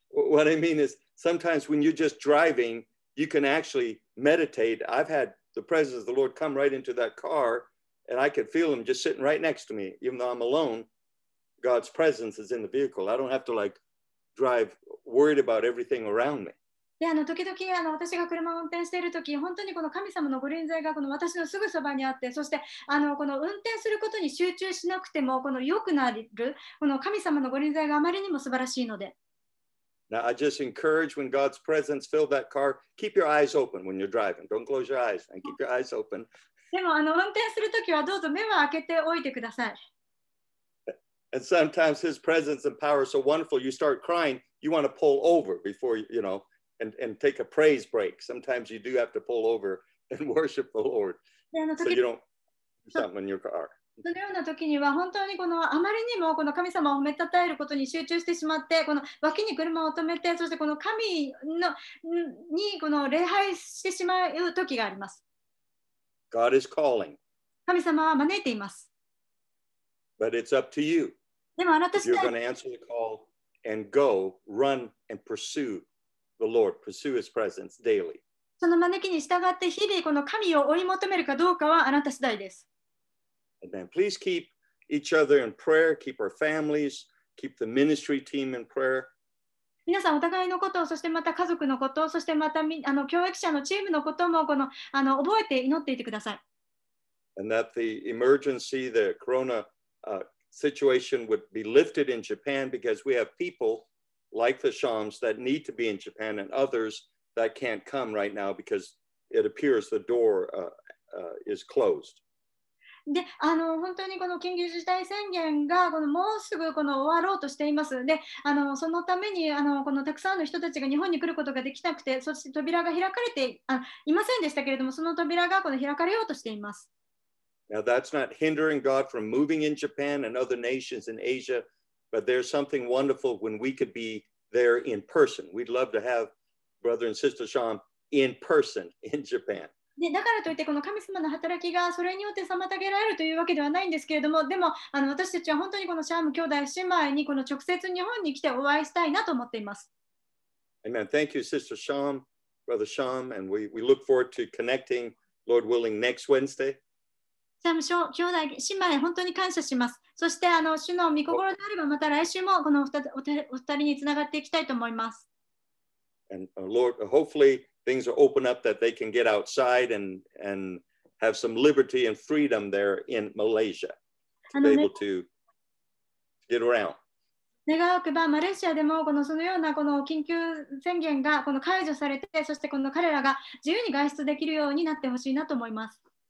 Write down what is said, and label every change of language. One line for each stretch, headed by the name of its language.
English: What I mean is sometimes when you're just driving, you can actually meditate. I've had the presence of the Lord come right into that car and I could feel him just sitting right next to me. Even though I'm alone, God's presence is in the vehicle. I don't have to like drive worried about everything around me.
Japanese: で、時々私が車を運転しているとき、本当にこの神様のご臨在がこの私のすぐそばにあって、そしてこの運転することに集中しなくても、この良くなる、この神様のご臨在があまりにも素晴らしいので。
English: Now, I just encourage when God's presence filled that car, keep your eyes open when you're driving. Don't close your eyes and keep your eyes open.
Japanese: でも運転するときはどうぞ目を開けておいてください。
English: And sometimes his presence and power are so wonderful, you start crying, you want to pull over before, you know,And take a praise break. Sometimes you do have to pull over and worship the Lord. So you don't do something in your car.
Japanese: そのような時には本当にこのあまりにもこの神様を褒めたたえることに集中してしまって、この脇に車を止めて、そしてこの神のにこの礼拝してしまう時があります。
English: God is calling.
Japanese: 神様は招いています。
English: But it's up to you.
Japanese: でもあなた次第。
English: You're going to answer the call and go, run and pursue. The Lord pursue His presence daily.
Japanese: その招きに従って日々この神を追い求めるかどうかはあなた次第です。
English: Amen. Please keep each other in prayer. Keep our families. Keep the ministry team in prayer.
Japanese: 皆さんお互いのこと、そしてまた家族のこと、そしてまた教育者のチームのこともこの覚えて祈っていてください。
English: And that the emergency, the corona, situation would be lifted in Japan because we have people. Like the Shams that need to be in Japan and others that can't come right now because it appears the door is closed.
Japanese: で、本当にこの緊急事態宣言がこのもうすぐこの終わろうとしています。で、そのためにこのたくさんの人たちが日本に来ることができなくて、そして扉が開かれていませんでしたけれども、その扉がこの開かれようとしています。
English: Now that's not hindering God from moving in Japan and other nations in Asia. But there's something wonderful when we could be there in person. We'd love to have Brother and Sister Sham in person in Japan.
Japanese: だからといってこの神様の働きがそれによって妨げられるというわけではないんですけれども、でも私たちは本当にこのシャーム兄弟姉妹にこの直接日本に来てお会いしたいなと思っています。
English: Amen. Thank you, Sister Sham, Brother Sham, and we look forward to connecting, Lord willing, next Wednesday.
Japanese: 兄弟姉妹本当に感謝します。そして主の御心であればまた来週もこのお二人につながっていきたいと思います。
English: And Lord, hopefully things are open up that they can get outside and have some liberty and freedom there in Malaysia to be able to get around.
Japanese: 願うくばマレーシアでもこのそのようなこの緊急宣言がこの解除されて、そしてこの彼らが自由に外出できるようになってほしいなと思います。